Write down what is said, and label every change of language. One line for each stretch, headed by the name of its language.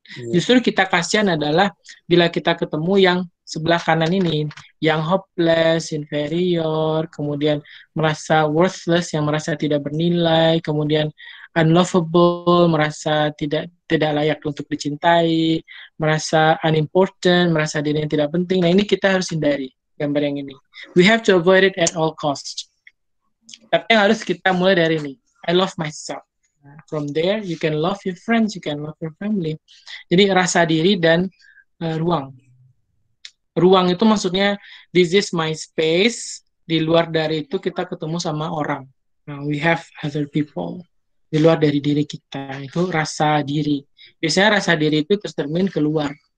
Indonesian: Justru kita kasihan adalah bila kita ketemu yang sebelah kanan ini, yang hopeless, inferior, kemudian merasa worthless, yang merasa tidak bernilai, kemudian unlovable, merasa tidak layak untuk dicintai, merasa unimportant, merasa diri yang tidak penting. Nah, ini kita harus hindari gambar yang ini.
English: We have to avoid it at all costs.
Indonesian: Tapi yang harus kita mulai dari ini.
English: I love myself. From there, you can love your friends, you can love your family.
Indonesian: Jadi, rasa diri dan ruang. Ruang itu maksudnya,
English: this is my space.
Indonesian: Di luar dari itu, kita ketemu sama orang.
English: Now, we have other people.
Indonesian: Di luar dari diri kita, itu rasa diri. Biasanya rasa diri itu tercermin keluar.